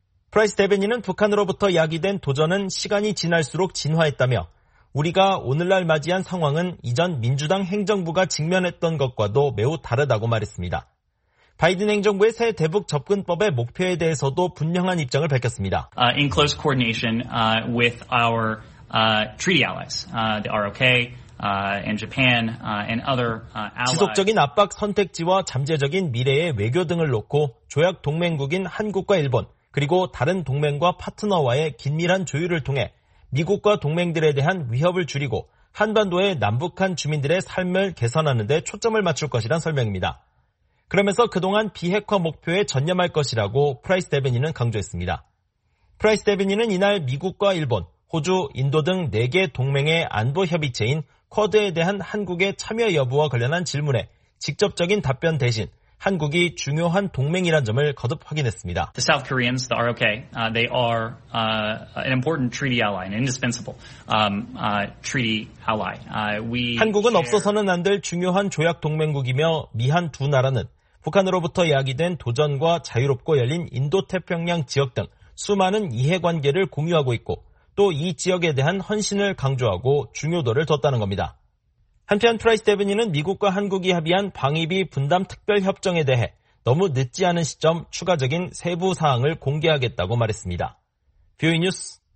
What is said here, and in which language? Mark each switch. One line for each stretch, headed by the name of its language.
Korean: 프라이스 대변인은 북한으로부터 야기된 도전은 시간이 지날수록 진화했다며 우리가 오늘날 맞이한 상황은 이전 민주당 행정부가 직면했던 것과도 매우 다르다고 말했습니다. 바이든 행정부의 새 대북 접근법의 목표에 대해서도 분명한 입장을 밝혔습니다.
English: In close coordination with our treaty allies, the ROK and Japan and other allies.
Korean: 지속적인 압박 선택지와 잠재적인 미래의 외교 등을 놓고 조약 동맹국인 한국과 일본 그리고 다른 동맹과 파트너와의 긴밀한 조율을 통해 미국과 동맹들에 대한 위협을 줄이고 한반도의 남북한 주민들의 삶을 개선하는 데 초점을 맞출 것이란 설명입니다. 그러면서 그동안 비핵화 목표에 전념할 것이라고 프라이스 대변인은 강조했습니다. 프라이스 대변인은 이날 미국과 일본, 호주, 인도 등 4개 동맹의 안보 협의체인 쿼드에 대한 한국의 참여 여부와 관련한 질문에 직접적인 답변 대신 한국이 중요한 동맹이란 점을 거듭 확인했습니다.
English: The South Koreans, the ROK, they are an important treaty ally, an indispensable treaty ally.
Korean: 한국은 없어서는 안 될 중요한 조약 동맹국이며 미한 두 나라는 북한으로부터 야기된 도전과 자유롭고 열린 인도태평양 지역 등 수많은 이해관계를 공유하고 있고 또 이 지역에 대한 헌신을 강조하고 중요도를 뒀다는 겁니다. 한편 프라이스 대변인은 미국과 한국이 합의한 방위비 분담 특별협정에 대해 너무 늦지 않은 시점 추가적인 세부사항을 공개하겠다고 말했습니다. 뷰이 뉴스